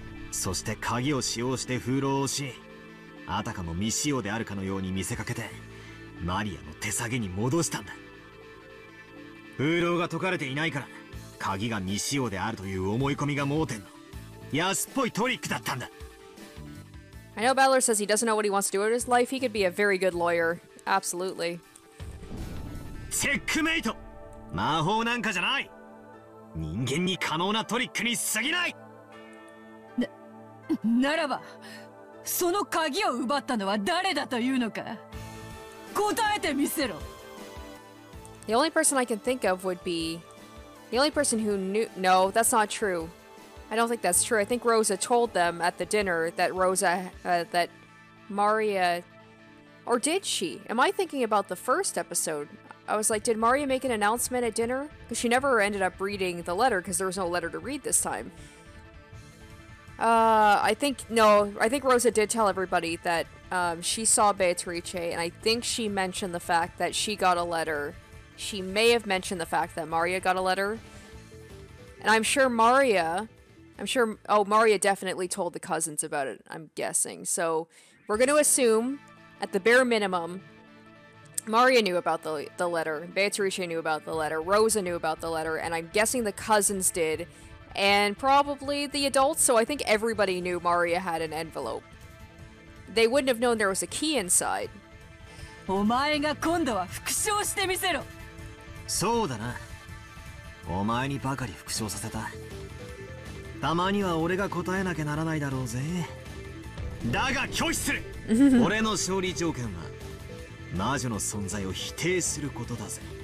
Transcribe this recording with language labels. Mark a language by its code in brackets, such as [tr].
[ja] そして鍵を使用して封筒を押し、あたかも未使用であるかのように見せかけてマリアの手提げに戻したんだ。封筒が解かれていないから鍵が未使用であるという思い込みが盲点の安っぽいトリックだったんだ。 [en] I know Balor says he doesn't know what he wants to do with his life. He could be a very good lawyer. Absolutely. [ja] チェックメイト。魔法なんかじゃない。人間に可能なトリックに過ぎない。ならばその鍵を奪ったのは誰だというのか答えてみせろ。 [en] The only person I can think of would be the only person who knew. No, that's not true. I don't think that's true. I think Rosa told them at the dinner that Rosa, that Maria, or did she? Am I thinking about the first episode? I was like, did Maria make an announcement at dinner? Because she never ended up reading the letter because there was no letter to read this time. I think Rosa did tell everybody that she saw Beatrice, and I think she mentioned the fact that she got a letter. She may have mentioned the fact that Maria got a letter. And Maria definitely told the cousins about it, I'm guessing. So we're going to assume, at the bare minimum, Maria knew about the letter. Beatrice knew about the letter. Rosa knew about the letter. And I'm guessing the cousins did. And probably the adults. So I think everybody knew Maria had an envelope. They wouldn't have known there was a key inside. [ja] お前が今度は復唱してみせろ。そうだな。お前にばかり復唱させた。たまには俺が答えなきゃならないだろうぜ。だが拒否する。俺の勝利条件は魔女の存在を否定することだぜ。